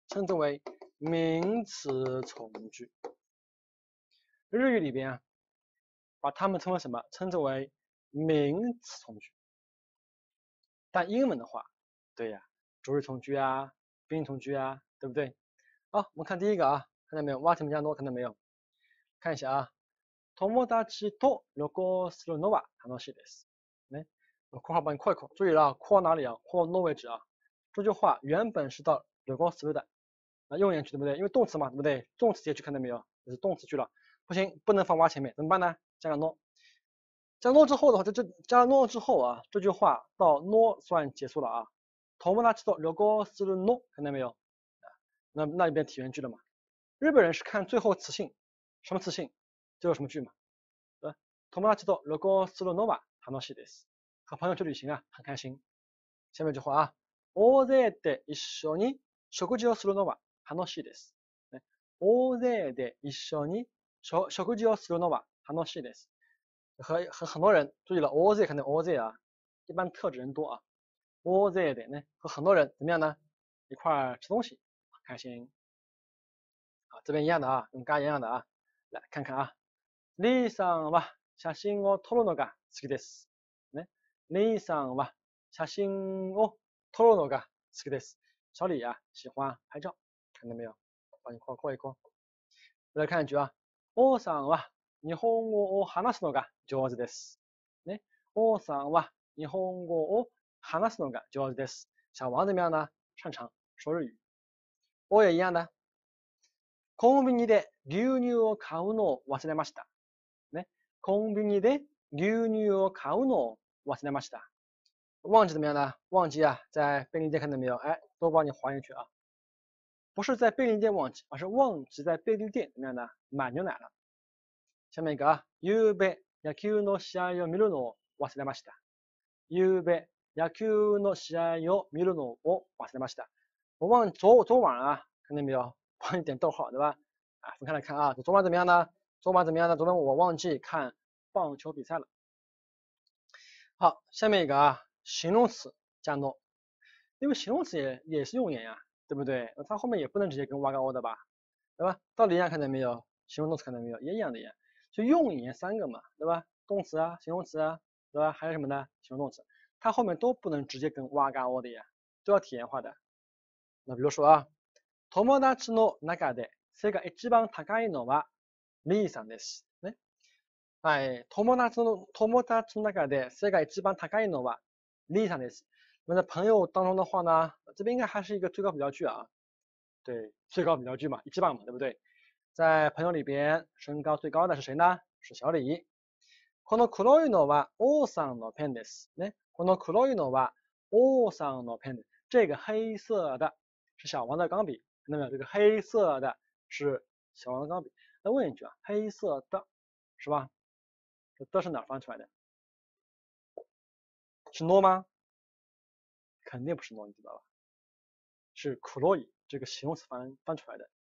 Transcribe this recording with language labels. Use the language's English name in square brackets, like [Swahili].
[Chinese] 称之为名词从句。日语里边啊，把它们称为什么？称之为名词从句。但英文的话，对呀，主语从句啊，宾语从句啊，对不对？好，我们看第一个啊，看到没有？哇，前面加诺，看到没有？看一下啊， [Japanese] 友達と旅行するのは楽しいです。 [Chinese] 来，我括号帮你括一括，注意了啊，括号哪里啊？括号 no 位置啊。这句话原本是到旅行する的，啊，用言句对不对？因为动词嘛，对不对？动词结句看到没有？这是动词句了，不行，不能放哇前面，怎么办呢？加个 no。加诺之后的话，这加诺之后啊，这句话到诺算结束了啊。 [Japanese] 友達と旅行するの， [Chinese] 看到没有？那边体验句了嘛？日本人是看最后词性，什么词性就有什么句嘛。 [Japanese] 友達と旅行するのは楽しいです。 [Chinese] 和朋友去旅行啊，很开心。下面一句话啊， [Japanese] 大勢で一緒に食事をするのは楽しいです。大勢で一緒に食事をするのは楽しいです。 [Chinese] 和很多人注意了，all day 肯定 all day 啊，一般特指人多啊，all day 的呢，和很多人怎么样呢？一块儿吃东西，开心。好，这边一样的啊，跟刚一样的啊，来看看啊， [Japanese] 李さんは写真を撮るのが好きです。 [Chinese] 李さんは写真を撮るのが好きです。小李啊，喜欢拍照，看到没有？帮你括一括。再来看一句啊， [Japanese] 王さんは日本語を話すのが上手です。ね。王さんは日本語を話すのが上手です。 [Chinese] 小王怎么样呢？擅长说日语。我也一样的。 [Japanese] コンビニで牛乳を買うのを忘れました。ね。コンビニで牛乳を買うのを忘れました。 [Chinese] 忘记怎么样呢？忘记啊，在便利店看到没有？哎，都帮你还原去啊。不是在便利店忘记，而是忘记在便利店怎么样呢？买牛奶了。下面一个啊， [Japanese] ゆうべ野球の試合を見るのを忘れました。ゆうべ野球の試合を見るのを忘れました。 [Chinese] 我忘昨晚啊，看见没有？帮你点逗号，对吧？啊，分开来看啊，昨晚怎么样呢？昨晚怎么样呢？昨晚我忘记看棒球比赛了。好，下面一个啊，形容词加 no，因为形容词也是用言呀，对不对？那它后面也不能直接跟哇嘎哦的吧，对吧？道理一样，看见没有？形容动词看见没有？也一样的呀。就用言三个嘛，对吧？动词啊，形容词啊，对吧？还有什么呢？形容动词，它后面都不能直接跟哇嘎哦的呀，都要体验化的。那比如说啊， [Japanese] 友達の中で背が一番高いのはリーさんです。ね、哎，友達の中で背が一番高いのはリーさんです。 [Chinese] 那在朋友当中的话呢，这边应该还是一个最高比较句啊，对，最高比较句嘛，一番嘛，对不对？在朋友里边，身高最高的是谁呢？是小李。 [Japanese] この黒いのは王さんのペンです。ね、この黒いのは王さんのペンです。 [Chinese] 这个黑色的是小王的钢笔，看到没有？这个黑色的是小王的钢笔。那问一句啊，黑色的，是吧？这的是哪翻出来的？是诺吗？肯定不是诺，你知道吧？是 Kuroi 这个形容词翻出来的。